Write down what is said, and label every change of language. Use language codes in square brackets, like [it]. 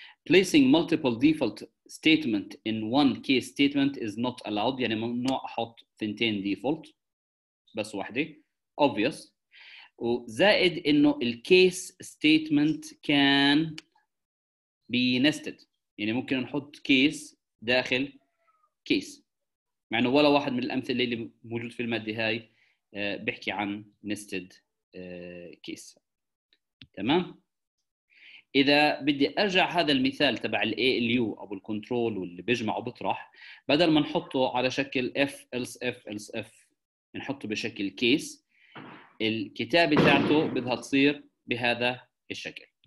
[en] Placing multiple default statement in one case statement is not allowed. [ar] يعني ممنوع أحط ثنتين default بس واحدة. [en] Obvious. [ar] وزائد إنه الكيس [en] statement can be nested. [ar] يعني ممكن نحط كيس داخل كيس، مع انه ولا واحد من الامثله اللي موجود في الماده هاي بحكي عن نستد كيس. تمام، اذا بدي ارجع هذا المثال تبع الاي ال يو او الكنترول واللي بيجمع وبطرح، بدل ما نحطه على شكل اف الس اف الس اف نحطه بشكل كيس، الكتابه بتاعته بدها تصير بهذا الشكل.